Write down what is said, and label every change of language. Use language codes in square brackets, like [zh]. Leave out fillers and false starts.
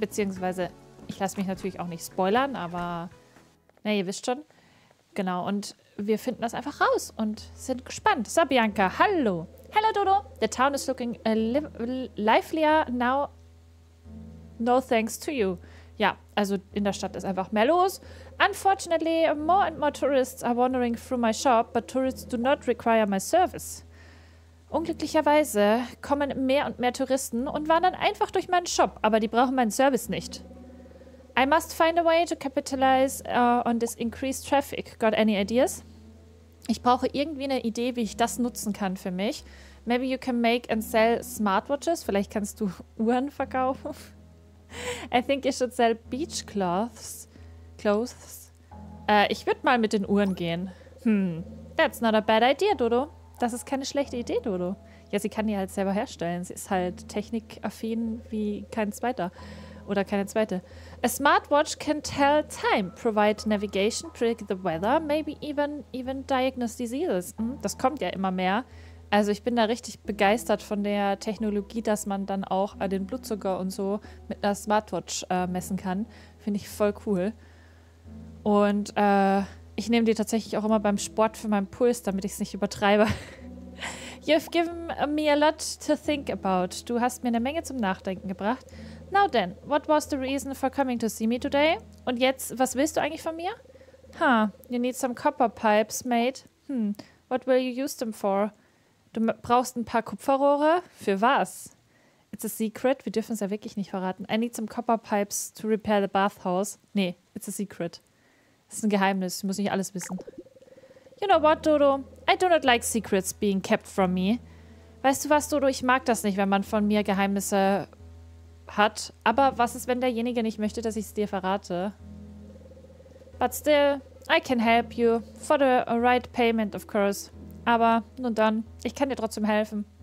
[de] Beziehungsweise, ich lasse mich natürlich auch nicht spoilern, aber na, ihr wisst schon. Genau, und wir finden das einfach raus und sind gespannt. So, Bianca, hallo. [en] Hello, Dodo. The town is looking livelier now. No thanks to you. [de] Ja, also in der Stadt ist einfach mehr los. [en] Unfortunately, more and more tourists are wandering through my shop, but tourists do not require my service. [de] Unglücklicherweise kommen mehr und mehr Touristen und wandern einfach durch meinen Shop, aber die brauchen meinen Service nicht. [en] I must find a way to capitalize on this increased traffic. Got any ideas? [de] Ich brauche irgendwie eine Idee, wie ich das nutzen kann für mich. [en] Maybe you can make and sell smartwatches. [de] Vielleicht kannst du Uhren verkaufen. [en] I think you should sell beach cloths. Clothes. [de] Ich würde mal mit den Uhren gehen. [en] That's not a bad idea, Dodo. [de] Das ist keine schlechte Idee, Dodo. Ja, sie kann die halt selber herstellen. Sie ist halt technikaffin wie kein Zweiter. Oder keine zweite. [en] A smartwatch can tell time, provide navigation, predict the weather, maybe even diagnose diseases. Hm? [de] Das kommt ja immer mehr. Also ich bin da richtig begeistert von der Technologie, dass man dann auch den Blutzucker und so mit einer Smartwatch messen kann. Finde ich voll cool. Und ich nehme die tatsächlich auch immer beim Sport für meinen Puls, damit ich es nicht übertreibe. [en] You've given me a lot to think about. [de] Du hast mir eine Menge zum Nachdenken gebracht. [en] Now then, what was the reason for coming to see me today? [de] Und jetzt, was willst du eigentlich von mir? [en] Huh, you need some copper pipes, mate. Hm, what will you use them for? [de] Du brauchst ein paar Kupferrohre? Für was? [en] It's a secret, [de] wir dürfen es ja wirklich nicht verraten. [en] I need some copper pipes to repair the bathhouse. Nee, it's a secret. [de] Es ist ein Geheimnis, ich muss nicht alles wissen. [en] You know what, Dodo? I do not like secrets being kept from me. [de] Weißt du was, Dodo? Ich mag das nicht, wenn man von mir Geheimnisse hat. Aber was ist, wenn derjenige nicht möchte, dass ich es dir verrate? [en] But still, I can help you. For the right payment, of course. [de] Aber nun dann, ich kann dir trotzdem helfen.